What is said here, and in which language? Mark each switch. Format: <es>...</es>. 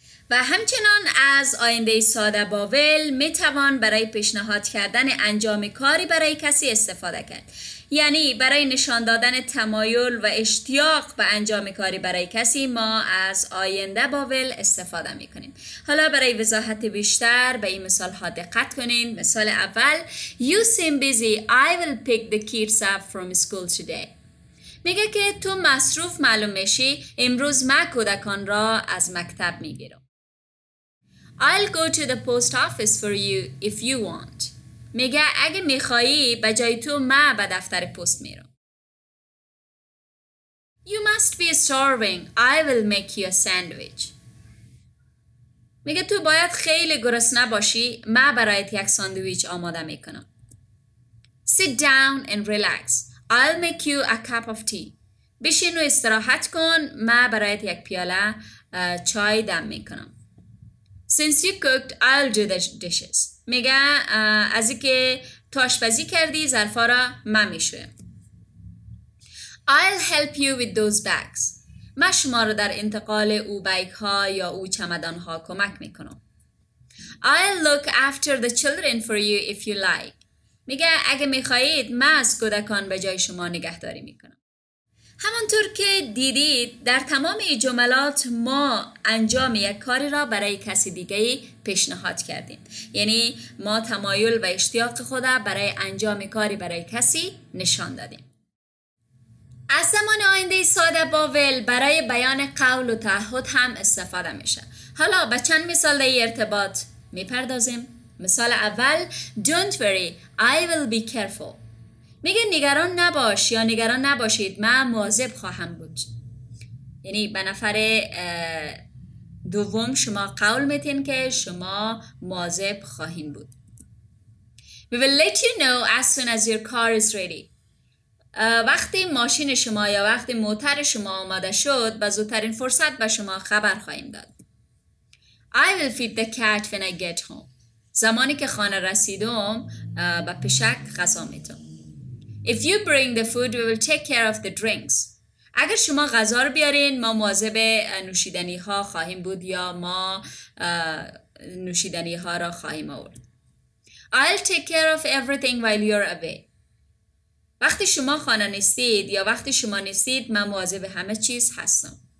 <fa>و همچنان از آینده ساده باول می توان برای پیشنهاد کردن انجام کاری برای کسی استفاده کرد. یعنی برای نشان دادن تمایل و اشتیاق به انجام کاری برای کسی ما از آینده باول استفاده می کنیم. حالا برای وضاحت بیشتر به این مثال ها دقت کنین. مثال اول:</fa> <en>You seem busy. I will pick the kids up from school today.</en> <fa>میگه که تو مصروف معلوم میشی، امروز من کودکان را از مکتب می گیرم.</fa> <en>I'll go to the post office for you if you want.</en> <fa>میگه اگه میخوایی به جای تو من به دفتر پست میرم.</fa> <en>You must be starving. I will make you a sandwich.</en> <fa>میگه تو باید خیلی گرسنه باشی، من برایت یک ساندویچ آماده میکنم.</fa> <en>Sit down and relax. I'll make you a cup of tea.</en> <fa>بشین و استراحت کن، من برایت یک پیاله چای دم میکنم.</fa> <en>Since you cooked, I'll do the dishes.</en> <fa>میگه از اینکه تو آشپزی کردی، ظرفا را من میشویم.</fa> <en>I'll help you with those bags.</en> <fa>من شما را در انتقال او بیگ ها یا او چمدان ها کمک میکنم.</fa> <en>I'll look after the children for you if you like.</en> <fa>میگه اگه میخواهید، من از کودکان به جای شما نگهداری میکنم. همانطور که دیدید، در تمام این جملات ما انجام یک کاری را برای کسی دیگه پیشنهاد کردیم. یعنی ما تمایل و اشتیاق خود را برای انجام کاری برای کسی نشان دادیم. از زمان آینده ساده باول برای بیان قول و تعهد هم استفاده میشه. حالا به چند مثال در ارتباط میپردازیم. مثال اول:</fa> <en>Don't worry, I will be careful.</en> <fa>میگه نگران نباش یا نگران نباشید، من مواظب خواهم بود. یعنی به نفر دوم شما قول میتین که شما مواظب خواهین بود.</fa> <en>We will let you know as soon as your car is ready.</en> <fa>وقتی ماشین شما یا وقتی موتر شما آماده شد، به زودترین فرصت به شما خبر خواهیم داد.</fa> <en>I will feed the cat when I get home.</en> <fa>زمانی که خانه رسیدم به پشک غذا میتم.</fa> <en>If you bring the food, we will take care of the drinks.</en> <fa>اگر شما غذا رو بیارین، ما مواظب نوشیدنی ها خواهیم بود یا ما نوشیدنی ها را خواهیم آورد.</fa> <en>I'll take care of everything while you're away.</en> <fa>وقتی شما خانه نیستید یا وقتی شما نیستید، من مواظب همه چیز هستم.</fa>